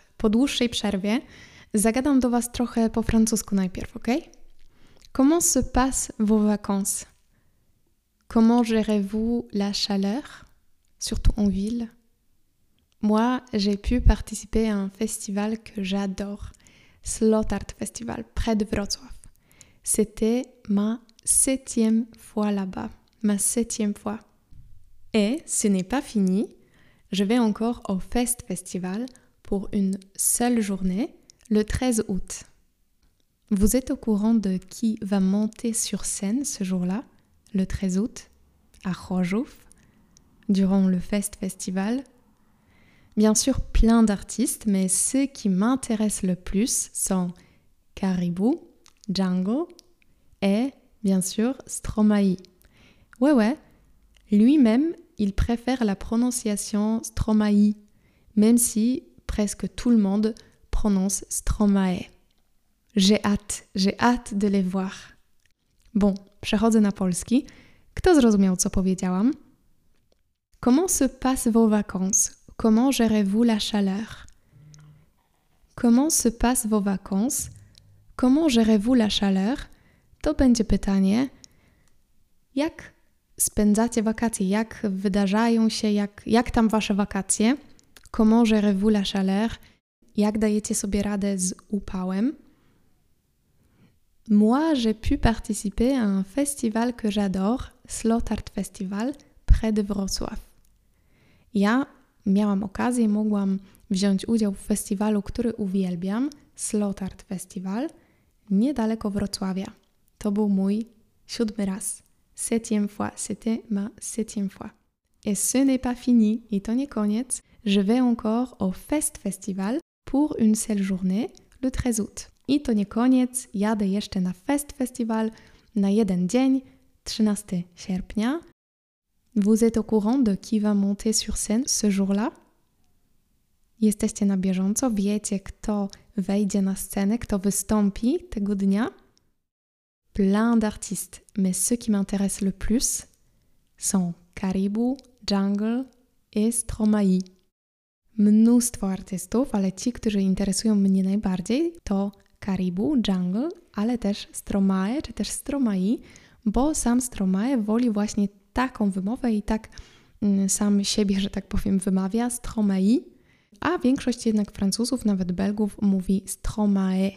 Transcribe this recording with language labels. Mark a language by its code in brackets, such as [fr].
[pl] Po dłuższej przerwie zagadam do Was trochę po francusku najpierw, ok? [fr] Comment se passent vos vacances? Comment gérez-vous la chaleur? Surtout en ville. Moi, j'ai pu participer à un festival que j'adore. Slot Art Festival, près de Wrocław. C'était ma 7e fois là-bas. Ma 7e fois. Et ce n'est pas fini. Je vais encore au Fest Festival pour une seule journée, le 13 août. Vous êtes au courant de qui va monter sur scène ce jour-là, le 13 août, à Rojów, durant le Fest Festival? Bien sûr, plein d'artistes, mais ceux qui m'intéressent le plus sont Caribou, Django et, bien sûr, Stromae. Ouais, ouais, lui-même, il préfère la prononciation Stromae, même si presque tout le monde prononce Stromae. J'ai hâte de les voir. [pl] Bon, przechodzę na polski. Kto zrozumiał, co powiedziałam? [fr] Comment se passent vos vacances? Comment gérez-vous la chaleur? Comment se passent vos vacances? Comment gérez-vous la chaleur? [pl] To będzie pytanie. Jak spędzacie wakacje? Jak wydarzają się? Jak tam wasze wakacje? [fr] Comment gérez-vous la chaleur? [pl] Jak dajecie sobie radę z upałem? [fr] Moi, j'ai pu participer à un festival que j'adore, Slot Art Festival, près de Wrocław. [pl] Ja miałam okazję, mogłam wziąć udział w festiwalu, który uwielbiam, Slot Art Festival, niedaleko Wrocławia. To był mój 7 raz. [fr] 7e fois. C'était ma 7e fois. Et ce n'est pas fini. [pl] I to nie koniec. [fr] Je vais encore au Fest Festival pour une seule journée, le 13 août. [pl] I to nie koniec. Jadę jeszcze na Fest Festival na jeden dzień, 13 sierpnia. [fr] Vous êtes au courant de qui va monter sur scène ce jour-là? [pl] Jesteście na bieżąco? Wiecie, kto wejdzie na scenę, kto wystąpi tego dnia? [fr] Plein d'artistes, mais ceux qui m'intéressent le plus sont Caribou, Jungle et Stromae. [pl] Mnóstwo artystów, ale ci, którzy interesują mnie najbardziej, to Caribou, Jungle, ale też Stromae, czy też Stromae, bo sam Stromae woli właśnie taką wymowę i tak sam siebie, że tak powiem, wymawia Stromae, a większość jednak Francuzów, nawet Belgów, mówi Stromae.